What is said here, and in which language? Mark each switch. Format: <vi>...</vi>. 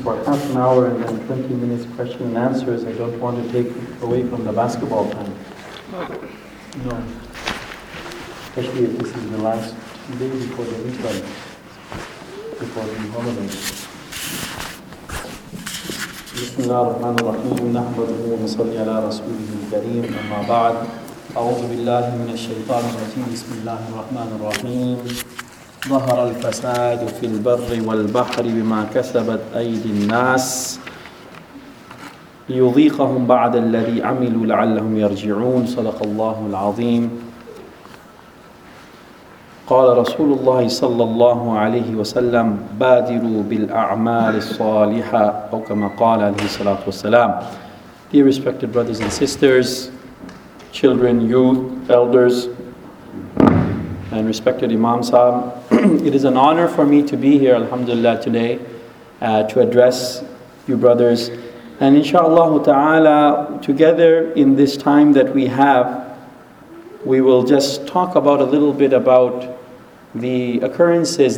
<en>half an hour and then 20 minutes question and answers. I don't want to take away from the basketball time. No. Especially if this is the last day before the winter, before the holidays.</en> <ar>بسم الله الرحمن الرحيم نحمده ونصلي على رسوله الكريم أما بعد أعوذ بالله من الشيطان الرجيم بسم الله الرحمن الرحيم ظهر الفساد في البر والبحر بما كسبت أيدي الناس ليذيقهم بعض الذي عملوا لعلهم يرجعون صدق الله العظيم قال رسول الله صلى الله عليه وسلم بادروا بالأعمال الصالحة أو كما قال عليه الصلاة والسلام.</ar> <en>Dear respected brothers and sisters, children, youth, elders, and respected Imam Sahib, it is an honor for me to be here, alhamdulillah, today to address you brothers. And inshallah ta'ala, together in this time that we have, we will just talk about a little bit about the occurrences.</en>